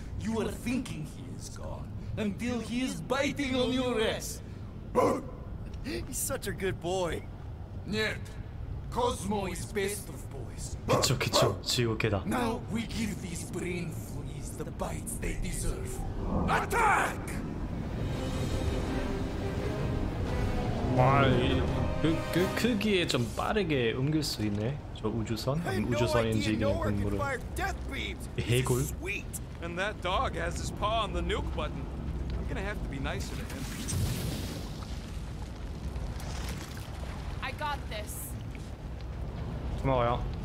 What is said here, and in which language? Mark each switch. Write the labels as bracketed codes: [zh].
[en] You are thinking he is gone, until he is biting on your ass. Boom! He's such a good boy. [ru] Нет, [en] Cosmo is best of boys. [ko] 그쵸, 그쵸, 지옥에다. [en] Now we give these brain fleas the bites they deserve. Attack! [ko] 와, 그 크기에 좀 빠르게 옮길 수 있네. 저 우주선, 우주선인지 그냥 건물을. 해골. [en] And that dog has his paw on the nuke button. I'm gonna have to be nicer to him. I got this. [ko] 고마워요.